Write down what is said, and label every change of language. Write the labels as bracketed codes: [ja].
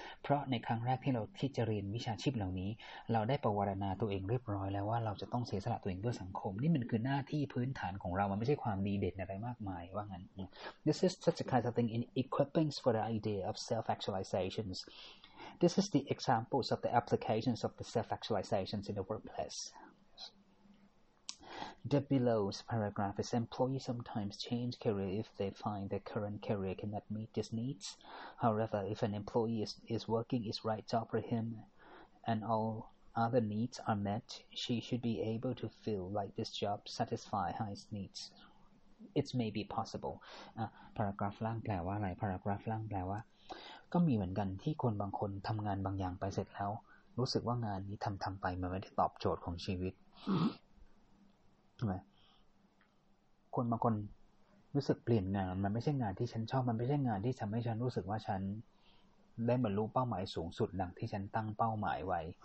[th] เพราะในครั้งแรกที่จะเรียนวิชาชีพเหล่านี้เราได้ประวารณาตัวเองเรียบร้อยแล้วว่าเราจะต้องเสียสละตัวเองเพื่อสังคมนี่มันคือหน้าที่พื้นฐานของเรามันไม่ใช่ความดีเด่นอะไรมากมายว่างั้น [en] This is such a kind of thing in equipping for the idea of self-actualizationsThis is the examples of the applications of the self-actualizations in the workplace. The below paragraph is employees sometimes change career if they find their current career cannot meet these needs. However, if an employee is working his right job for him and all other needs are met, she should be able to feel like this job satisfies highest needs. It may be possible. [th] Paragraph ล่างแปลว่าอะไร Paragraph ล่างแปลว่าก็มีเหมือนกันที่คนบางคนทำงานบางอย่างไปเสร็จแล้วรู้สึกว่างานนี้ทำไปมันไม่ได้ตอบโจทย์ของชีวิตใช่ไหมคนบางคนรู้สึกเปลี่ยนงานมันไม่ใช่งานที่ฉันชอบมันไม่ใช่งานที่ทำให้ฉันรู้สึกว่าฉันได้บรรลุเป้าหมายสูงสุดดังที่ฉันตั้งเป้าหมายไว้